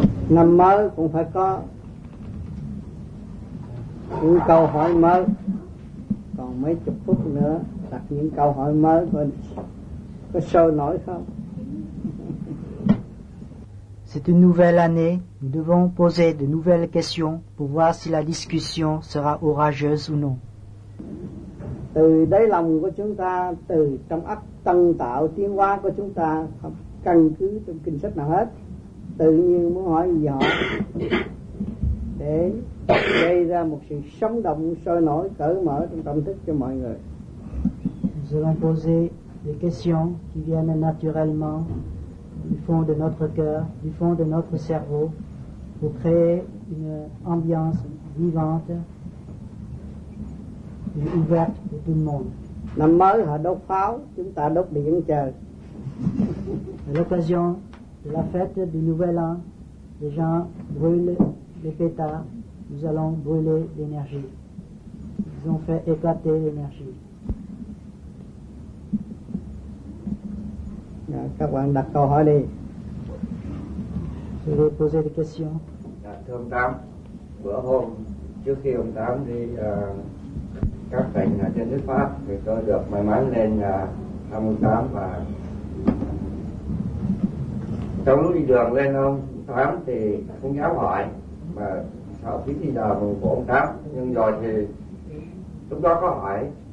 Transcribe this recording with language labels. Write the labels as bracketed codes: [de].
[vi] Năm mới cũng phải có những câu hỏi mới. Còn mấy chục phút nữa đặt những câu hỏi mới có sôi nổi không? [fr] C'est une nouvelle année, nous devons poser de nouvelles questions pour voir si la discussion sera orageuse ou non. [vi] Từ đáy lòng của chúng ta, từ trong óc tân tạo tiến hóa của chúng ta, không căn cứ trong kinh sách nào hết, tự nhiên muốn hỏi gì họ để gây ra một sự sống động sôi nổi cởi mở trong tâm thức cho mọi người. [fr] Nous allons poser des questions qui viennent naturellement du fond de notre cœur, du fond de notre cerveau, pour créer une ambiance vivante et ouverte pour tout le monde. [vi] Năm mới họ đốt pháo, chúng ta đốt điện trời. [fr] À l'occasion de la fête du Nouvel An, les gens brûlent les pétards, nous allons brûler l'énergie. Ils ont fait éclater l'énergie. [vi] Các bạn đặt câu hỏi đi. [fr] Je vais poser des questions. [vi] Dạ, thưa ông Tám, bữa hôm trước khi ông Tám đi các tỉnh trên nước Pháp thì tôi được may mắn lên thăm ông Tám, và trong lúc đi đường lên ông Tám thì không dám hỏi mà sợ phí thì đờ của ông Tám, nhưng rồi thì lúc đó có hỏi.